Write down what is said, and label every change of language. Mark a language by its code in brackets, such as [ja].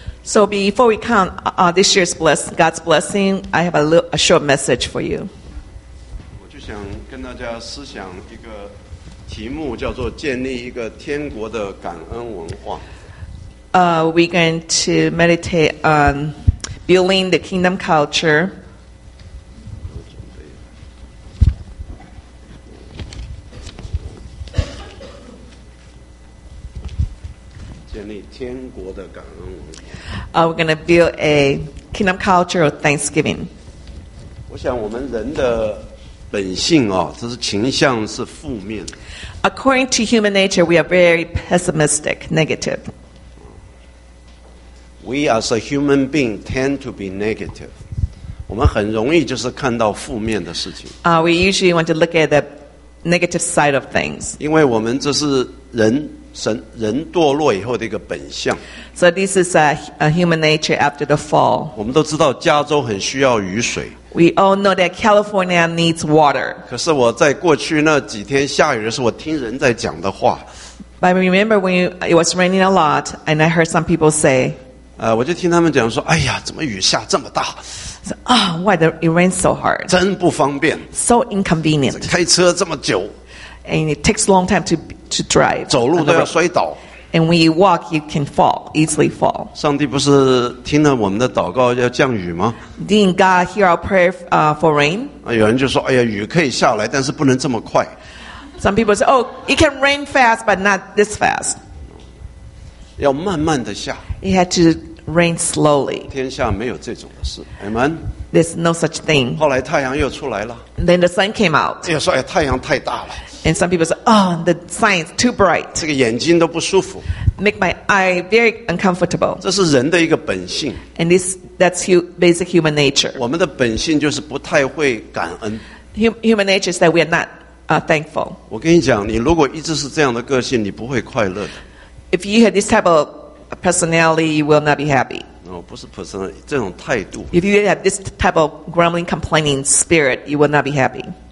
[en] So before we count this year's blessing, God's blessing, I have a short message for you. [zh] 我就想跟大家思想一个题目，叫做建立一个天国的感恩文化。 [en] We're going to meditate on building the kingdom culture. [zh] 天国的感恩文化。 [en] We're going to build a kingdom culture of thanksgiving. [zh] 我想我们人的本性啊，这是倾向是负面。 [en] According to human nature, we are very pessimistic, negative. We as a human being tend to be negative. [zh] 我们很容易就是看到负面的事情。 [en] We usually want to look at the negative side of things. [zh] 因为我们这是人。人堕落以后的一个本相。 [en] So this is a human nature after the fall. [zh] 我们都知道加州很需要雨水。 [en] We all know that California needs water. [zh] 可是我在过去那几天下雨的时候，我听人在讲的话。 [en] But I remember when it was raining a lot, and I heard some people say. [zh] 我就听他们讲说，哎呀，怎么雨下这么大？ [en] Why the it rains so hard? [zh] 真不方便。 [en] So inconvenient. [zh] 开车这么久。 [en] And it takes a long time to drive. [zh] 走路都要摔倒。 [en] And when you walk, you can fall, easily fall. [zh] 上帝不是听了我们的祷告要降雨吗？ [en] Didn't God hear our prayer for rain? [zh] 有人就说，哎呀，雨可以下来，但是不能这么快。 [en] Some people say, oh, it can rain fast, but not this fast. [zh] 要慢慢的下。 [en] It had to rain slowly. [zh] 天下没有这种的事。Amen. [en] There's no such thing. [zh] 后来太阳又出来了。 [en] Then the sun came out. [zh] 也说，哎，太阳太大了。 [en] And some people say, oh, the sun is too bright. [zh] 这个眼睛都不舒服。 [en] Make my eye very uncomfortable. [zh] 这是人的一个本性。 [en] And that's basic human nature. [zh] 我们的本性就是不太会感恩。 [en] Human nature is that we are not thankful. [zh] 我跟你讲，你如果一直是这样的个性，你不会快乐的。 [en] If you have this type of personality, you will not be happy. [zh] 不是 personal, 这种态度。 [en] If you have this type of grumbling, complaining spirit, you will not be happy.